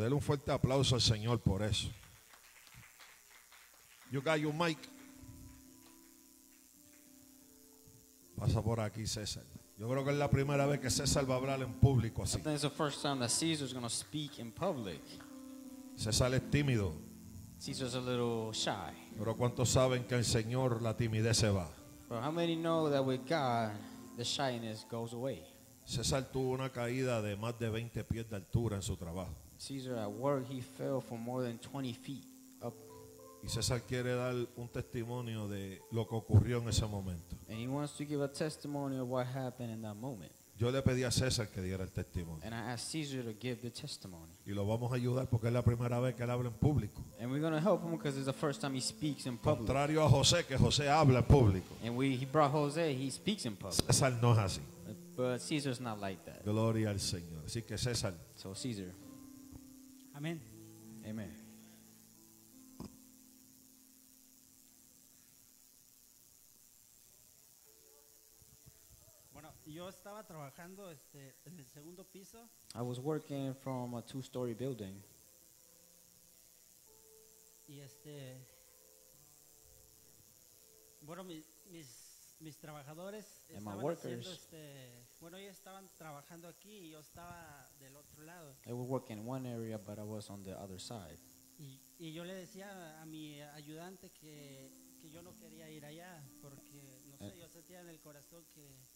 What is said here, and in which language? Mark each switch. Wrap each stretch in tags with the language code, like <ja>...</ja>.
<es>Dele un fuerte aplauso al Señor por eso.</es> <en>You got your mic.</en> <es>Pasa por aquí, César. Yo creo que es la primera vez que César va a hablar en público así.</es> <en>I think it's the first time that Caesar is going to speak in public.</en> <es>César es tímido.</es> <en>Caesar is a little shy.</en> <es>Pero ¿cuántos saben que el Señor la timidez se va?</es> <en>But how many know that with God the shyness goes away?</en> <es>César tuvo una caída de más de 20 pies de altura en su trabajo.</es> <en>Caesar at work he fell for more than 20 feet.</en> <es>Y César quiere dar un testimonio de lo que ocurrió en ese momento.</es> <en>And he wants to give a testimony of what happened in that moment.</en> <es>Yo le pedí a César que diera el testimonio.</es> <en>And I asked Caesar to give the testimony.</en> <es>Y lo vamos a ayudar porque es la primera vez que él habla en público.</es> <en>And we're going to help him because it's the first time he speaks in public.</en> <es>Contrario a José, que José habla en público.</es> <en>And he brought José, he speaks in public.</en> <es>César no es así.</es> <en>But Caesar's not like that.</en> <es>Gloria al Señor. Así que César.</es> <en>So Caesar.</en> <es>Amén.</es> <en>Amen.</en> <es>Yo estaba trabajando en el segundo piso.</es> <en>I was working from a two-story building.</en> <es>Y bueno, mis trabajadores</es> <en>and my workers,</en> <es>ellos estaban trabajando aquí y yo estaba del otro lado.</es> <en>They were working in one area, but I was on the other side.</en> <es>Y yo le decía a mi ayudante que yo no quería ir allá porque yo sentía en el corazón que</es>